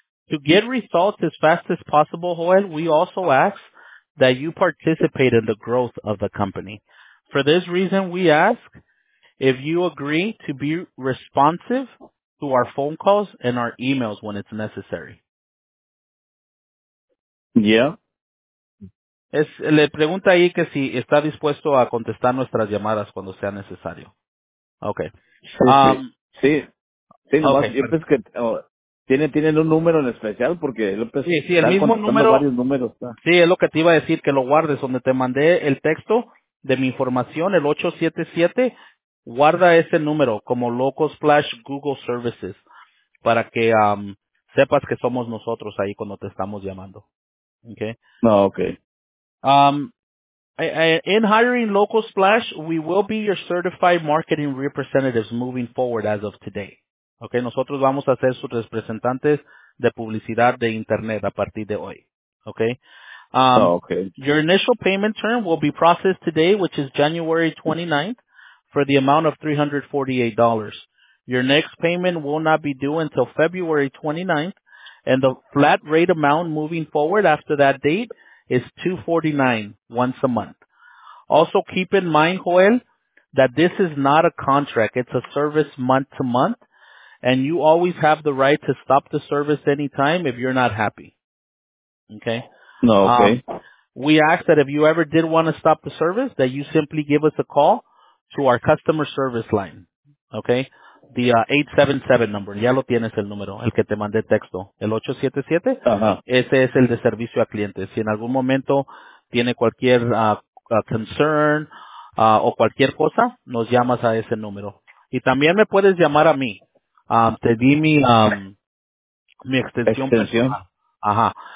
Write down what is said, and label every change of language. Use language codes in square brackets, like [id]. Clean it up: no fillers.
[en] To get results as fast as possible, Joel, we also ask that you participate in the growth of the company. For this reason, we ask if you agree to be responsive to our phone calls and our emails when it's necessary. Yeah. [es] Le pregunta ahí que si está dispuesto a contestar nuestras llamadas cuando sea necesario. [en] Okay. [es] Sí. Sí, no, okay. Yo pensé que tienen un número en especial porque López sí, el mismo número, varios números. ¿Tá? Sí, es lo que te iba a decir, que lo guardes. Donde te mandé el texto de mi información, el 877, guarda ese número como Local Splash Google Services para que sepas que somos nosotros ahí cuando te estamos llamando. [en] ¿Okay? No, okay. In hiring Local Splash, we will be your certified marketing representatives moving forward as of today. [es] Okay, nosotros vamos a ser sus representantes de publicidad de internet a partir de hoy. [en] Okay. Your initial payment term will be processed today, which is January 29th, for the amount of $348. Your next payment will not be due until February 29th, and the flat rate amount moving forward after that date is $249 once a month. Also, keep in mind, Joel, that this is not a contract. It's a service month to month. And you always have the right to stop the service anytime if you're not happy. Okay? No, okay. We ask that if you ever did want to stop the service, that you simply give us a call to our customer service line. Okay? The 877 number. [es] Ya lo tienes el número, el que te mandé texto. El 877. Uh-huh. Ese es el de servicio a clientes. Si en algún momento tiene cualquier concern o cualquier cosa, nos llamas a ese número. Y también me puedes llamar a mí. Te di mi extensión. Ajá.